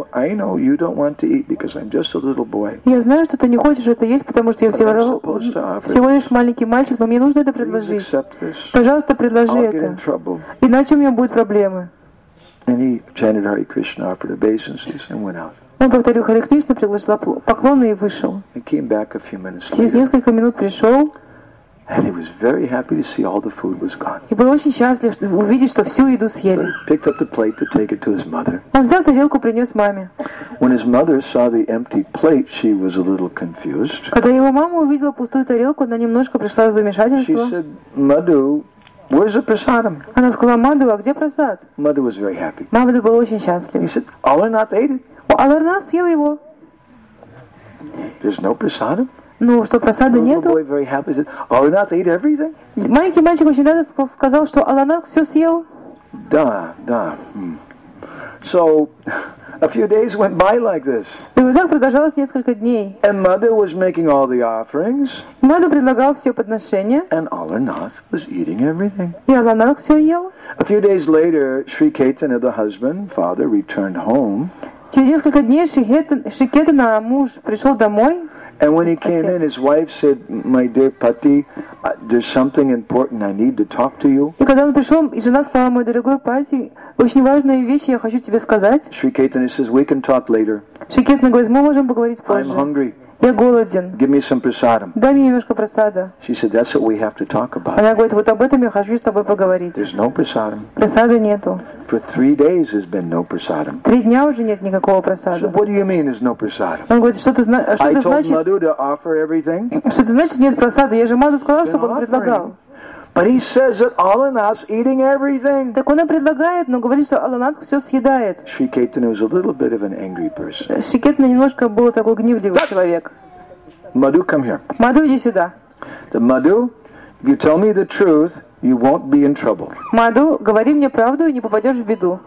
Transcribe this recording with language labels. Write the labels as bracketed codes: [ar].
[en] I know you don't want to eat because I'm just a little boy. [ru] Я знаю, что ты не хочешь это есть, потому что я всего лишь маленький мальчик, но мне нужно это предложить. [en] Please accept this. [ru] Пожалуйста, предложи [en] I'll [ru] это. [en] Get in trouble. [ru] Иначе у меня будут проблемы. [en] And he chanted Hare Krishna, offered obeisances, and went out. [ru] Он повторил Харе Кришна, предложил поклоны и вышел. [en] He came back a few minutes later. [ru] Через несколько минут пришел. [en] And he was very happy to see all the food was gone. [ru] И был очень счастлив, чтобы увидеть, что всю еду съели. [en] He picked up the plate to take it to his mother. [ru] Он взял тарелку, принес маме. [en] When his mother saw the empty plate, she was a little confused. [ru] Когда его мама увидела пустую тарелку, она немножко пришла в замешательство. [en] She said, "Madhu, where's the prasadam?" [ru] Она сказала, Madhu, а где просад? [en] Madhu was very happy. [ru] Madhu был очень счастлив. [en] He said, "Alarnath ate it." [ru] Alarnath съел его. [en] There's no prasadam. [ru] Ну, что, просады нету? Маленький мальчик очень радостно сказал, что Аланах все съел. Да, да. [en] So, a few days went by like this. [ru] И вот так продолжалось несколько дней. [en] And Madhu was making all the offerings. [ru] Madhu предлагал все подношения. [en] And Alarnath was eating everything. [ru] И Аланах все ел. [en] A few days later, Sri Ketana, the husband, father, returned home. [ru] Через несколько дней Шри Кетана, муж, пришел домой. [en] And when he came in, his wife said, "My dear Pati, there's something important I need to talk to you." [ru] И когда он пришел, и жена сказала, мой дорогой Пати, очень важные вещи я хочу тебе сказать. [en] Shri Ketana says, "We can talk later." [ru] Shri Ketana говорит, мы можем поговорить позже. [en] I'm hungry. [ru] Я голоден. [en] Give me some prasadam. [ru] Дай мне немножко просада. [en] She said, "That's what we have to talk about." [ru] Она говорит, вот об этом я хочу с тобой поговорить. [en] There's no prasadam. [ru] Просады нету. [en] For 3 days has been no prasadam. [ru] 3 дня уже нет никакого просада. [en] So what do you mean is no prasadam? [ru] Он говорит, что ты знаешь, что это значит? [en] I told Madhu to offer everything. [ru] Что это значит нет просада? Я же Madhu сказал, чтобы он предлагал. [en] But he says that Alarnath's eating everything. [ru] Так он и предлагает, но говорит, что Аланат все съедает. [en] Shri Ketana was a little bit of an angry person. [ru] Shri Ketana немножко был такой гневливый человек. [en] Madhu, come here. [ru] Madhu, иди сюда. [en] The Madhu, if you tell me the truth, you won't be in trouble. [ru] Madhu, говори мне правду и не попадешь в беду.